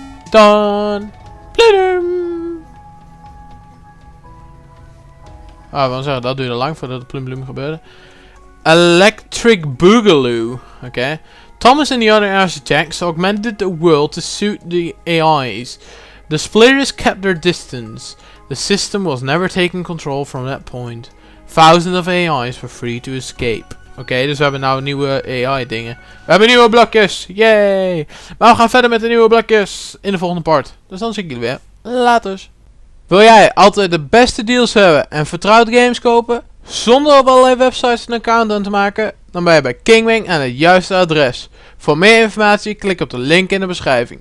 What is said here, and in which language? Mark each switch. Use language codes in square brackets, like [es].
[nl] Dan. Plidum. Ah, we gaan zeggen, dat duurde lang voordat het plumplum gebeurde. Electric Boogaloo. Oké. Okay. [en] Thomas and the other architects augmented the world to suit the AIs. The splitters kept their distance. The system was never taken control from that point. Thousands of AIs were free to escape. [nl] Oké, okay, dus we hebben nou nieuwe AI dingen. We hebben nieuwe blokjes. Yay. Maar we gaan verder met de nieuwe blokjes in de volgende part. Dus dan zie ik jullie weer. Laters. Wil jij altijd de beste deals hebben en vertrouwd games kopen? Zonder op allerlei websites een account aan te maken? Dan ben je bij Kingwing aan het juiste adres. Voor meer informatie klik op de link in de beschrijving.